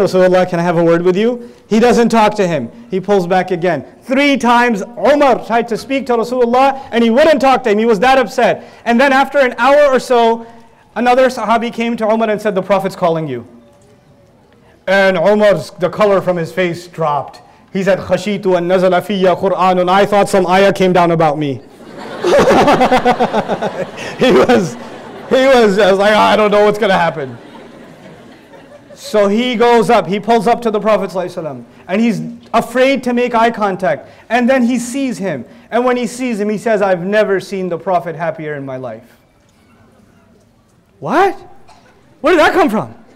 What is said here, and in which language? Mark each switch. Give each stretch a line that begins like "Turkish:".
English: Rasulullah, can I have a word with you? He doesn't talk to him. He pulls back again. Three times Umar tried to speak to Rasulullah, and he wouldn't talk to him. He was that upset. And then after an hour or so, another sahabi came to Umar and said, the Prophet's calling you. And Umar's, the color from his face dropped. He said,
Arabic: خَشِيتُ أَن نَزَلَ فِيَّ قُرْآنٌ.
English: I thought some ayah came down about me. He was like, I don't know what's going to happen. So he goes up, he pulls up to the Prophet ﷺ, and he's afraid to make eye contact. And then he sees him. And when he sees him, he says, I've never seen the Prophet happier in my life. What? Where did that come from?